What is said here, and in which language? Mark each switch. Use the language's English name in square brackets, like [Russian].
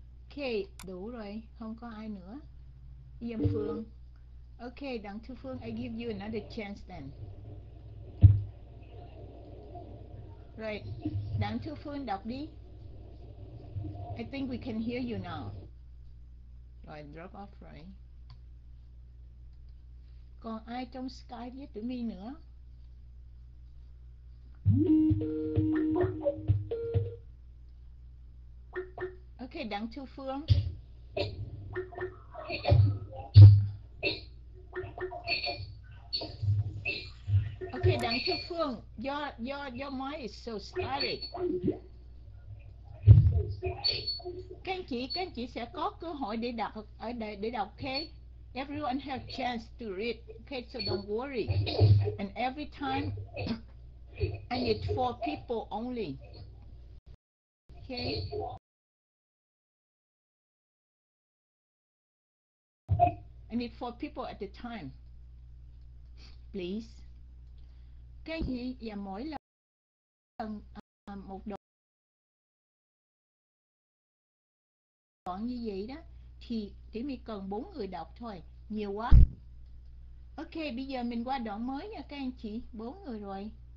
[Vietnamese] Okay, đủ rồi, không có ai nữa. Yên Phương. [English] Okay, Đặng Thu Phương, I give you another chance then. Right, Đặng Thu Phương [Vietnamese] đọc đi. [English] I think we can hear you now. [Vietnamese] Rồi, [English] drop off, right? [Vietnamese] Còn ai trong Skype với tụi mi nữa? [English] Okay, Đặng Thu Phương. Okay, Đặng Thu Phương, your mic is so static. [Vietnamese] Các anh chị sẽ có cơ hội để đọc ở đây để đọc, okay? [English] Everyone have chance to read, okay? So don't worry. And every time, I need four people only, okay? I need four people at a time, please. [Vietnamese] Cái gì và mỗi lần một đoạn như vậy đó thì chỉ mình cần bốn người đọc thôi, nhiều quá. Ok, bây giờ mình qua đoạn mới nha các anh chị, bốn người rồi.